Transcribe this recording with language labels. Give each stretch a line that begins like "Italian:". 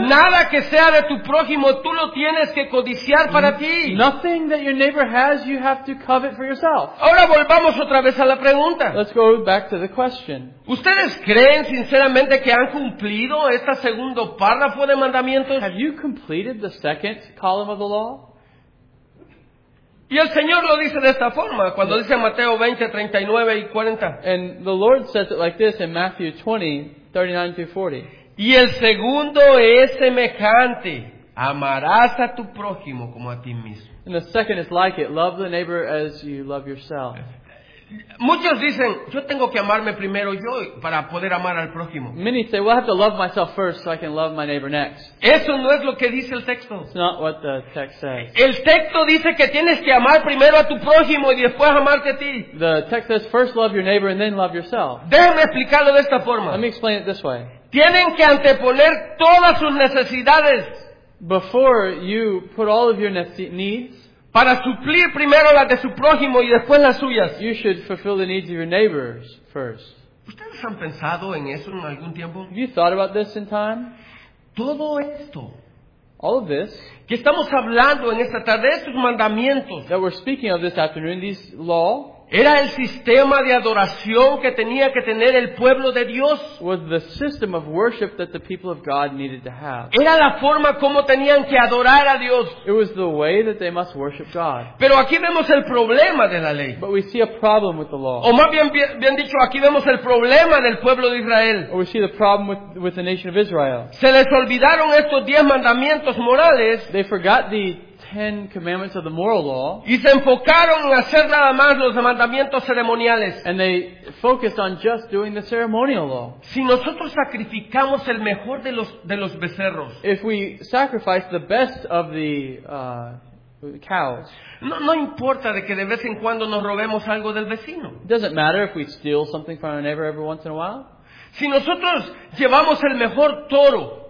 Spanish: Nada que sea de tu prójimo tú lo tienes que codiciar para ti.
English: Nothing that your neighbor has you have to covet for yourself.
Spanish: Ahora volvamos otra vez a la pregunta.
English: Let's go back to the question.
Spanish: ¿Ustedes creen sinceramente que han cumplido este segundo párrafo de mandamientos?
English: Have you completed the second column of the law?
Spanish: Y el Señor lo dice de esta forma, cuando dice Mateo 20, 39 y 40.
English: And the Lord says it like this in Matthew 20, 39-40.
Spanish: Y el segundo es semejante, amarás a tu prójimo como a ti mismo.
English: And the second is like it, love the neighbor as you love yourself.
Spanish: Muchos dicen, yo tengo que amarme primero yo para poder amar al prójimo.
English: Many say, well, I have to love myself first so I can love my neighbor next.
Spanish: Eso no es lo que dice el texto.
English: It's not what the text says.
Spanish: El texto dice que tienes que amar primero a tu prójimo y después amarte a ti.
English: The text says, first love your neighbor and then love yourself.
Spanish: Déjame explicarlo de esta forma.
English: Let me explain it this way.
Spanish: Tienen que anteponer todas sus necesidades.
English: Before you put all of your needs,
Spanish: para suplir primero las de su prójimo y después las suyas.
English: You should fulfill the needs of your neighbors first.
Spanish: ¿Ustedes han pensado en eso en algún tiempo?
English: Have you thought about this in time?
Spanish: Todo esto,
English: all of this,
Spanish: que estamos hablando en esta tarde, estos mandamientos,
English: that we're speaking of this afternoon, this law,
Spanish: era el sistema de adoración que tenía que tener el pueblo de Dios.
English: Was the system of worship that the people of God needed to have.
Spanish: Era la forma como tenían que adorar a Dios.
English: It was the way that they must worship God.
Spanish: Pero aquí vemos el problema de la ley.
English: But we see a problem with the law.
Spanish: O más bien dicho, aquí vemos el problema del pueblo de Israel.
English: Or we see the problem with the nation of Israel.
Spanish: Se les olvidaron estos 10 mandamientos morales.
English: They forgot the 10 commandments of the moral law.
Spanish: Y se enfocaron en hacer nada más los mandamientos ceremoniales.
English: And they focused on just doing the ceremonial law.
Spanish: Si nosotros sacrificamos el mejor de los becerros.
English: If we sacrifice the best of the cows.
Spanish: No importa de que de vez en cuando nos robemos algo del vecino.
English: Doesn't matter if we steal something from our neighbor every once in a while.
Spanish: Si nosotros llevamos el mejor toro.